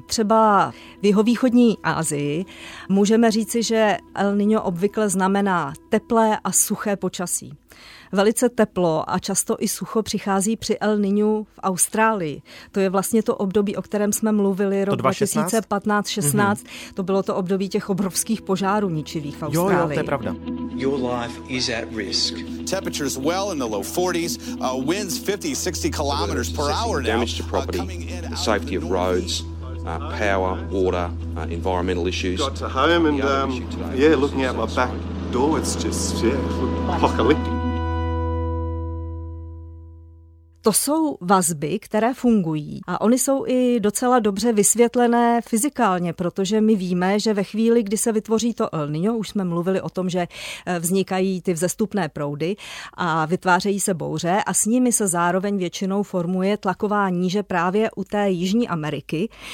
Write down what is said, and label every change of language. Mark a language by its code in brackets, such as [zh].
[cs] Třeba v jihovýchodní Asii můžeme říci, že El Niño obvykle znamená teplé a suché počasí. Velice teplo a často i sucho přichází při El Niño v Austrálii. To je vlastně to období, o kterém jsme mluvili, rok 2015-16. Mm-hmm. To bylo to období těch obrovských požárů ničivých v Austrálii. Jo, to je pravda. [en] Your life is at risk. Temperatures well in the low 40s, winds 50-60 kilometers per hour now. Damage to property, the safety of roads, power, water, environmental issues. Got to home and looking out my back door, it's just apocalyptic. [cs] To jsou vazby, které fungují a ony jsou i docela dobře vysvětlené fyzikálně, protože my víme, že ve chvíli, kdy se vytvoří to El Niño, už jsme mluvili o tom, že vznikají ty vzestupné proudy a vytvářejí se bouře a s nimi se zároveň většinou formuje tlaková níže právě u té Jižní Ameriky,